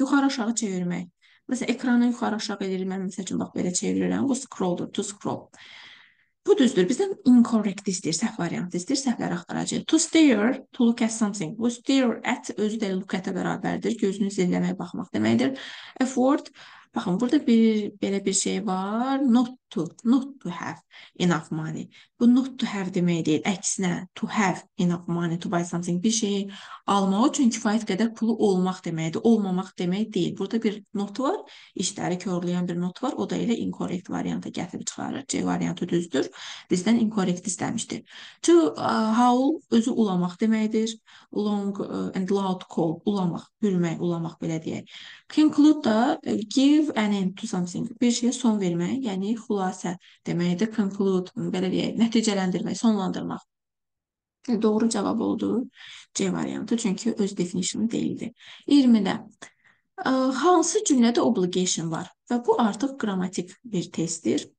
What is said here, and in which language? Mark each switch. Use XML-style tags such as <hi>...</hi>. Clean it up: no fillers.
<az>Yuxarı aşağı çevirmək. Məsələn, ekranı yuxarı aşağı edirəm. Mən məsəl üçün, bax, belə çevirirəm. Bu scrolldur.</az> <en>To scroll.</en> <az>Bu düzdür. Bizdən incorrect istəyir. Səhv variantı istəyir. Səhvləri axtaracaq. To stare.</az> <en>To look at something.</en> <az>Bu stare at özü də look at-ə bərabərdir. Gözünü zilləmək, baxmaq deməkdir.</az> <en>Afford.</en> <az>Baxın, burada bir belə bir şey var.</az> <en>Not to have enough money.</en> <az>Bu</az> <en>not to have</en> <az>demək deyil.</az> <en>Əksinə, to have enough money, to buy something.</en> <az>Bir şeyi almaq üçün kifayət qədər pulu olmaq deməkdir. Olmamaq demək deyil. Burada bir not var. İşləri korlayan bir not var. O da elə incorrect variantı gətirib çıxarır. C variantı düzdür. Bizdən incorrect istəmişdir. To howl özü ulamaq deməkdir.</az> <en>Long and loud call.</en> <az>Ulamaq, hürmək, ulamaq belə deyək.</az> <en>Conclude da give an end to something.</en> <az>Bir şeyə son vermək, yəni xülasə deməkdir. Conclude, belə deyək, nəticələndirmək, sonlandırmaq. Doğru cavab oldu C variantı, çünki öz definition-ı deyildi. 20-də Hansı cümlədə obligation var? Və bu artıq qrammatik bir testdir.</az>